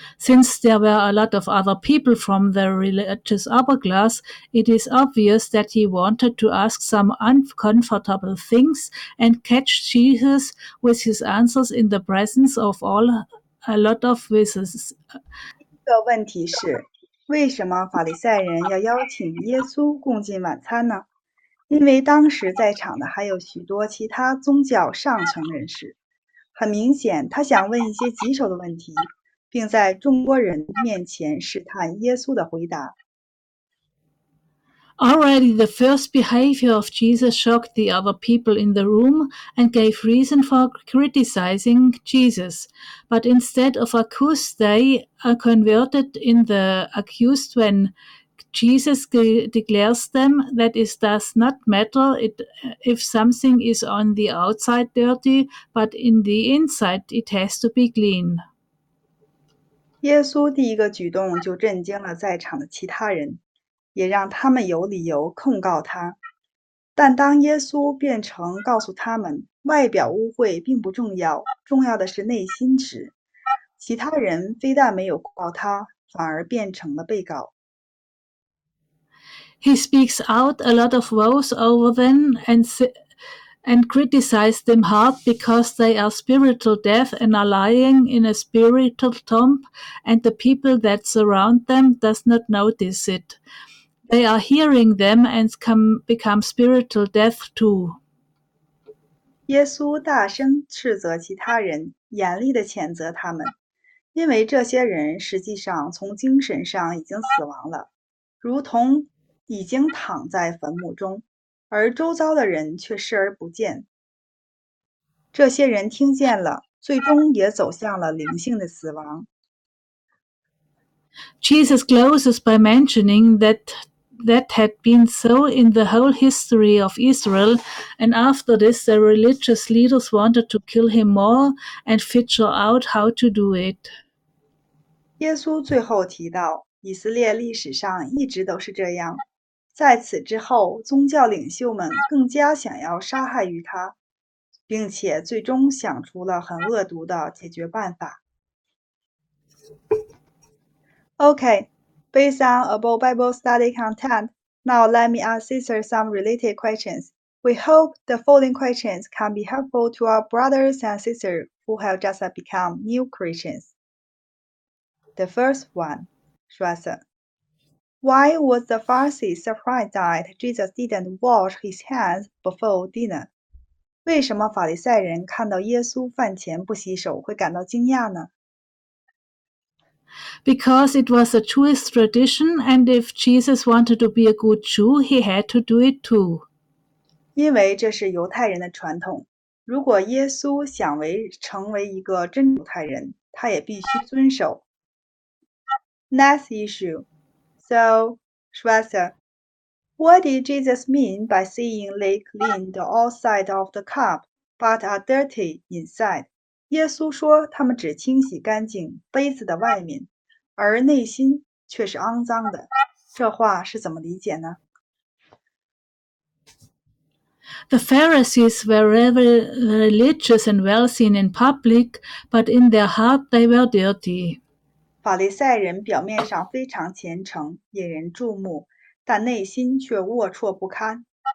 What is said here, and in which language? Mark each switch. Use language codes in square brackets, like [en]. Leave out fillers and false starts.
[en] Since there were a lot of other people from the religious upper class, it is obvious that he wanted to ask some uncomfortable things and catch Jesus with his answers in the presence of all a lot of witnesses. [zh] 这个问题是，为什么法利赛人要邀请耶稣共进晚餐呢？因为当时在场的还有许多其他宗教上层人士，很明显他想问一些棘手的问题，并在众多人面前试探耶稣的回答。 [en] Already the first behavior of Jesus shocked the other people in the room and gave reason for criticizing Jesus. But instead of accused, they are converted in the accused whenJesus declares them that it does not matter if something is on the outside dirty, but in the inside it has to be clean. [zh] 耶稣第一个举动就震惊了在场的其他人，也让他们有理由控告他。但当耶稣变成告诉他们外表污秽并不重要，重要的是内心时，其他人非但没有告他，反而变成了被告。 [en] He speaks out a lot of woes over them and criticizes them hard because they are spiritual deaf and are lying in a spiritual tomb, and the people that surround them does not notice it. They are hearing them and become spiritual deaf too. [zh] 耶稣大声斥责其他人，严厉地谴责他们，因为这些人实际上从精神上已经死亡了，如同已经躺在坟墓中，而周遭的人却视而不见。这些人听见了，最终也走向了灵性的死亡。 [en] Jesus closes by mentioning that had been so in the whole history of Israel, and after this, the religious leaders wanted to kill him more and figure out how to do it. [zh] 耶稣最后提到，以色列历史上一直都是这样。在此之后，宗教领袖们更加想要杀害于他，并且最终想出了很恶毒的解决办法。 [en] Okay, based on above Bible study content, now let me ask sister some related questions. We hope the following questions can be helpful to our brothers and sisters who have just become new Christians. The first one, Shwasa. Why was the Pharisee surprised that Jesus didn't wash his hands before dinner? [zh] 为什么法利赛人看到耶稣饭前不洗手会感到惊讶呢？ [en] Because it was a Jewish tradition, and if Jesus wanted to be a good Jew, he had to do it too. [zh] 因为这是犹太人的传统，如果耶稣想成为一个真犹太人，他也必须遵守。 [en] Next issue. So, Shwasa, what did Jesus mean by saying they clean the outside of the cup, but are dirty inside? [zh] 耶稣说他们只清洗干净杯子的外面，而内心却是肮脏的。这话是怎么理解呢？ [en] The Pharisees were very religious and well seen in public, but in their heart they were dirty. [zh] 法利赛人表面上非常虔诚，引人注目，但内心却龌龊不堪。